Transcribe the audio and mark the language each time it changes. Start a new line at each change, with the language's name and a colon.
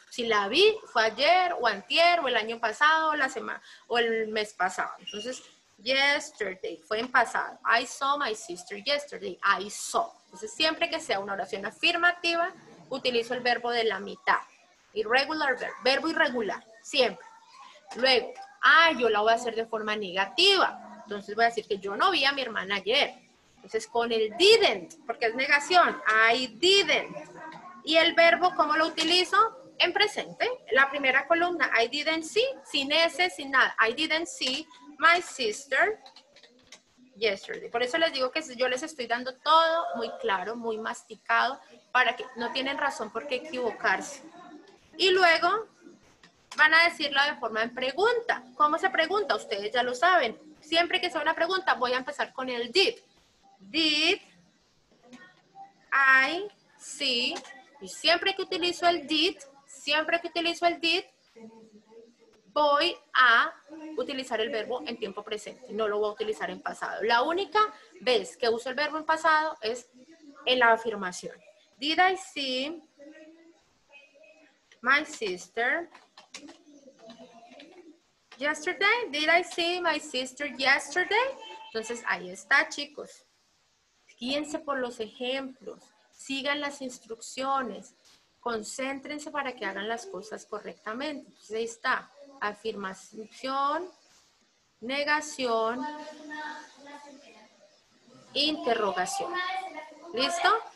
Spanish: Si la vi, fue ayer, o antier, o el año pasado, o la semana, o el mes pasado. Entonces, yesterday, fue en pasado.
English: I saw my sister yesterday, I saw.
Spanish: Entonces, siempre que sea una oración afirmativa, utilizo el verbo de la mitad.
English: Irregular verb,
Spanish: verbo irregular, siempre. Luego, yo la voy a hacer de forma negativa. Entonces, voy a decir que yo no vi a mi hermana ayer. Entonces, con el didn't, porque es negación,
English: I didn't.
Spanish: Y el verbo, ¿cómo lo utilizo? En presente, la primera columna,
English: I didn't see, sin S, sin nada. I didn't see my sister yesterday.
Spanish: Por eso les digo que yo les estoy dando todo muy claro, muy masticado, para que no tienen razón por qué equivocarse. Y luego, van a decirlo de forma en pregunta. ¿Cómo se pregunta? Ustedes ya lo saben. Siempre que sea una pregunta, voy a empezar con el did.
English: Did I see,
Spanish: y siempre que utilizo el did, siempre que utilizo el did, voy a utilizar el verbo en tiempo presente, no lo voy a utilizar en pasado. La única vez que uso el verbo en pasado es en la afirmación.
English: Did I see my sister Yesterday, did I see my sister yesterday?
Spanish: Entonces, ahí está, chicos. Guíense por los ejemplos. Sigan las instrucciones. Concéntrense para que hagan las cosas correctamente. Entonces, ahí está. Afirmación, negación, interrogación. ¿Listo?